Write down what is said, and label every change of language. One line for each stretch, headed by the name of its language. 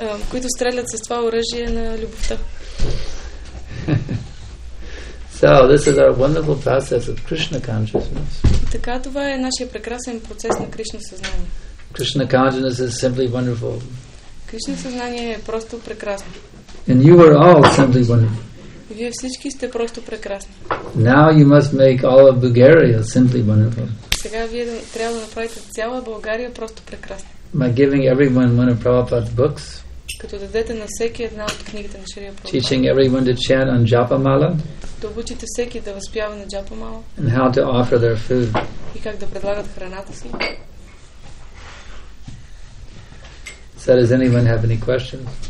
Bulgarian: Които стрелят с това оръжие на любовта.
English: So this is our wonderful process of Krishna consciousness.
Bulgarian: Така това е нашия прекрасен процес на Кришна съзнание.
English: Krishna consciousness is simply wonderful.
Bulgarian: Krishna съзнание е просто прекрасно.
English: And you are all simply wonderful.
Bulgarian: Вие всички сте просто прекрасни.
English: Now you must make all of Bulgaria simply wonderful.
Bulgarian: Сега вие трябва да направите цяла България просто прекрасна.
English: By giving everyone one of Prabhupada's books.
Bulgarian: Като дадете на всеки една от книгите на Шрила Прабхупада.
English: Teaching everyone to chant on Japa Mala.
Bulgarian: Да обучите всеки да възпява на Джапа Мала.
English: And how to offer their food.
Bulgarian: И как да предлагат храната си.
English: So does anyone have any questions?